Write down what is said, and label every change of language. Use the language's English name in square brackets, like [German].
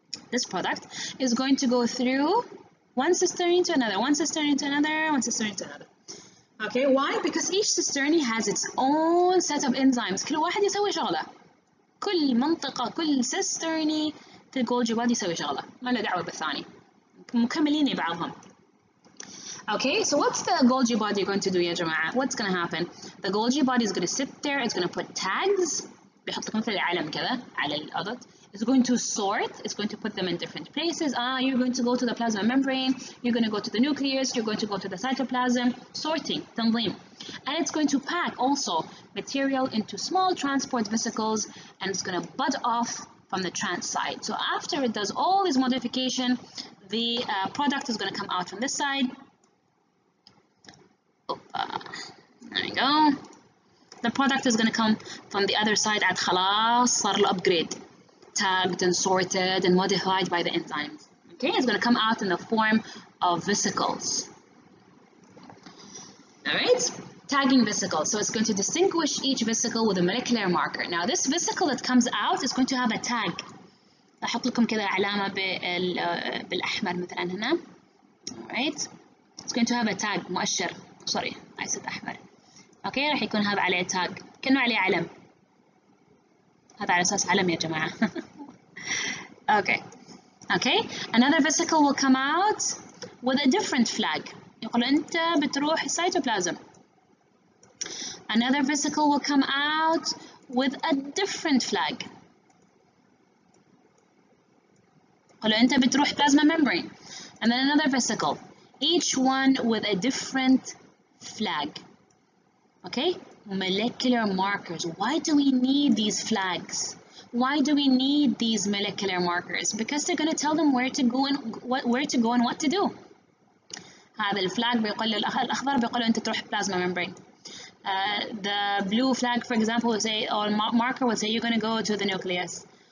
[English] This product is going to go through one cisterne to another, one cisterne to another, one cisterne to another. Okay, why? Because each cistern has its own set of enzymes. [Arabic] كل واحد يسوي شغله. كل منطقة كل cistern في الجولجي بودي يسوي شغله. ما له دعوة بالثاني. مكملين بعضهم. [English] Okay, so what's the Golgi body going to do, [Arabic] يا جماعة? [English] What's going to happen? The Golgi body is going to sit there. It's going to put tags. [Arabic] بيحطكم في العالم كذا على الأدت. [English] It's going to sort. It's going to put them in different places. You're going to go to the plasma membrane. You're going to go to the nucleus. You're going to go to the cytoplasm. Sorting. تنظيم. And it's going to pack also material into small transport vesicles. And it's going to bud off from the trans side. So after it does all this modification, the product is going to come out from this side. There we go. The product is going to come from the other side at [Arabic] خلاص صار الأبجريد. [English] Tagged and sorted and modified by the enzymes. Okay, it's going to come out in the form of vesicles. Alright, tagging vesicles. So it's going to distinguish each vesicle with a molecular marker. Now this vesicle that comes out is going to have a tag. أحط لكم كده علامة بالأحمر مثلا هنا. Alright, it's going to have a tag, مؤشر. Sorry, I said أحمر. [Arabic] Okay, راح يكون هذا عليه tag. كأنه عليه علم. هذا على أساس علم يا جماعة. [English] Okay. Okay, another vesicle will come out with a different flag. [Arabic] يقول أنت بتروح cytoplasm. [English] Another vesicle will come out with a different flag. [Arabic] يقول أنت بتروح plasma membrane. [English] And then another vesicle. Each one with a different flag. Okay, molecular markers. Why do we need these flags? Why do we need these molecular markers? Because they're going to tell them where to go and what where to go and what to do. [Arabic] هذا الفلاج بيقول الأخضر بيقول أنت تروح بلازما ممبرين. [English] The blue flag, for example, will say or marker will say you're going to go to the nucleus.